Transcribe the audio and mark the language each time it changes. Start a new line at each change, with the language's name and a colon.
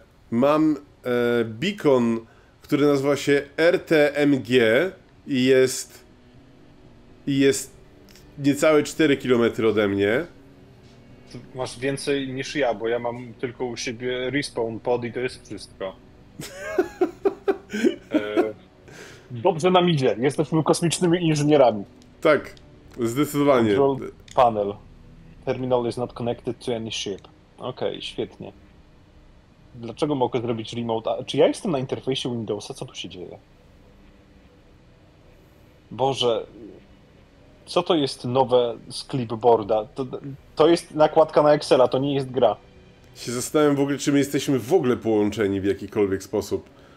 Polish: Mam... beacon, który nazywa się RTMG i jest niecałe 4 km ode mnie. Ty masz więcej niż ja, bo ja mam tylko u siebie respawn pod i to jest wszystko. Dobrze nam idzie. Jesteśmy kosmicznymi inżynierami. Tak, zdecydowanie.
English: Control panel. Terminal is not connected to any ship.
Polish: Okej, świetnie. Dlaczego mogę zrobić remote? A czy ja jestem na interfejsie Windowsa? Co tu się dzieje? Boże, co to jest nowe z clipboarda? To jest nakładka na Excela, to nie jest gra. Się zastanawiam w ogóle, czy my jesteśmy w ogóle połączeni w jakikolwiek sposób.